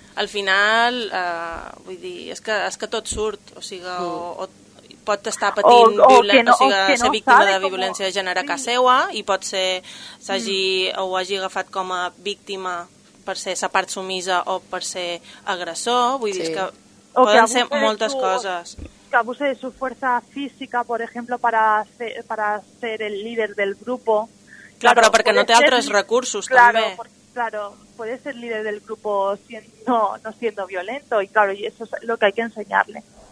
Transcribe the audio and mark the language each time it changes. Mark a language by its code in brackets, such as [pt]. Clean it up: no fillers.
[ca] Al final, vull dir, és que tot surt, o sigui, o pot estar patint ser víctima de violència de gènere a casa seva, i pot ser ho hagi agafat com a víctima per ser sa part submisa o per ser agressor, vull dir, és que poden ser moltes coses. [es] Que abuse de su fuerza física, por ejemplo, para ser el líder del grupo. [ca] Claro, però perquè no té altres recursos, també. [es] Claro, puede ser líder del grupo no siendo violento, y claro, y eso es lo que hay que enseñarle.